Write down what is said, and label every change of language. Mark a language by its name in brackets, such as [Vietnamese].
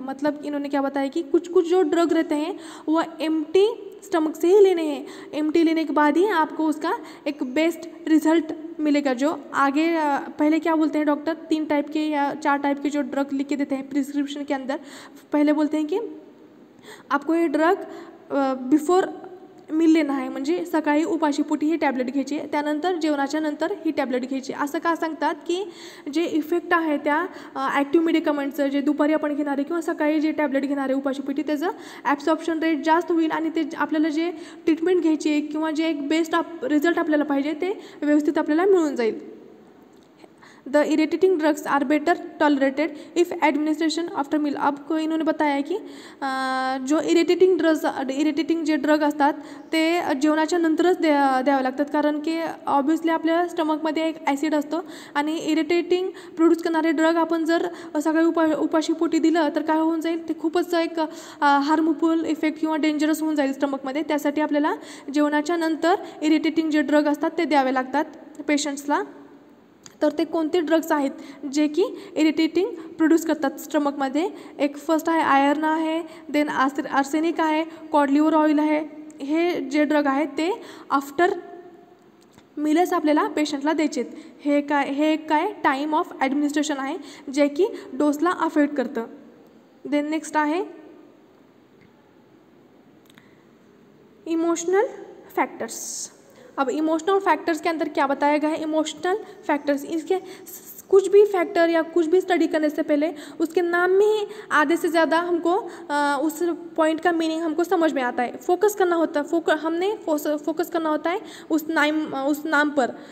[Hindi] मतलब इन्होंने क्या बताया कि कुछ कुछ जो ड्रग रहते हैं वो एम्प्टी स्टमक से ही लेने हैं, एम्प्टी लेने के बाद ही आपको उसका एक बेस्ट रिजल्ट मिलेगा। जो आगे पहले क्या बोलते हैं डॉक्टर, 3 टाइप के या 4 टाइप के जो ड्रग लिख के देते हैं प्रिस्क्रिप्शन के अंदर, पहले बोलते हैं कि आपको ये ड्रग बिफोर मिल लेना है [Marathi] म्हणजे सकाळी उपाशीपोटी ही टॅब्लेट घ्यायची, त्यानंतर जेवणाच्या नंतर ही टॅब्लेट घ्यायची, असं का सांगतात की जे इफेक्ट आहे त्या ॲक्टिव्ह मेडिकमेंटचं जे दुपारी आपण घेणारे किंवा सकाळी जे टॅब्लेट घेणारे उपाशीपोटी त्याचं ॲब्सॉर्प्शन रेट जास्त होईल आणि ते आपल्याला जे ट्रीटमेंट घ्यायची आहे किंवा जे एक बेस्ट रिझल्ट आपल्याला पाहिजे ते व्यवस्थित आपल्याला मिळून जाईल. [English] The irritating drugs are better tolerated if administration after meal. [Hindi] अब को इन्होंने बताया कि जो इरिटेटिंग ड्रग्स [Marathi] इरिटेटिंग जे ड्रग आता जेवनाच्या नंतरच द्यावे लागतात, कारण कि ऑब्वियसली आपले स्टमक मध्ये एक ऐसिड असतो आणि इरिटेटिंग प्रोड्यूस करणारे ड्रग आपण जर सकाळी उपाशीपोटी दिलं तर काय होऊन जाईल, ते खूपच एक हार्मफुल इफेक्ट किंवा डेंजरस होऊन जाईल स्टमक मध्ये. त्यासाठी आपल्याला जेवणाच्या नंतर इरिटेटिंग जे ड्रग असतात ते द्यावे लागतात पेशंट्सला. तर ते कोणते ड्रग्स आहेत जे की इरिटेटिंग प्रोड्यूस करतात स्टमकमध्ये? एक फर्स्ट आहे आयर्न आहे, देन आर्सेनिक आहे, कॉडलिवर ऑइल आहे. हे जे ड्रग आहेत ते आफ्टर मिलच आपल्याला पेशंटला द्यायचे. हे काय टाईम ऑफ ॲडमिनिस्ट्रेशन आहे जे की डोसला अफेक्ट करतं. [English] Then next आहे emotional factors. [Hindi] अब इमोशनल फैक्टर्स के अंदर क्या बताया गया है? इमोशनल फैक्टर्स, इसके कुछ भी फैक्टर या कुछ भी स्टडी करने से पहले उसके नाम में ही आधे से ज़्यादा हमको उस पॉइंट का मीनिंग हमको समझ में आता है. फोकस करना होता है, फोकस करना होता है उस नाम पर.